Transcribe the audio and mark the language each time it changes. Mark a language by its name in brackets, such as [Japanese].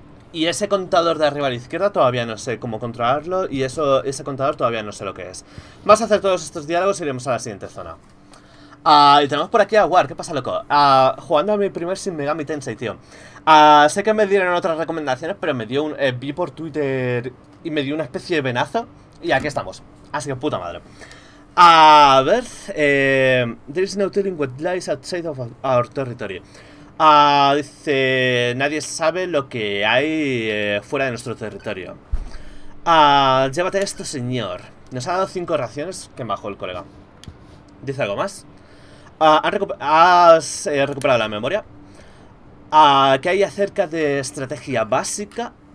[Spanish] Y ese contador de arriba a la izquierda todavía no sé cómo controlarlo, y ese contador todavía no sé lo que es. Vamos a hacer todos estos diálogos y iremos a la siguiente zona. Y tenemos por aquí a War. ¿Qué pasa, loco? Jugando a mi primer Shin Megami Tensei, tío. Sé que me dieron otras recomendaciones, pero me dio un... vi por Twitter y me dio una especie de venazo, y aquí estamos. Así que puta madre. A ver, [English] there is no telling what lies outside of our territory. [Spanish] Dice, nadie sabe lo que hay fuera de nuestro territorio. Llévate esto, señor. Nos ha dado 5 raciones, que majo el colega. ¿Dice algo más? ¿Has recuperado la memoria? ¿Qué hay acerca de estrategia básica?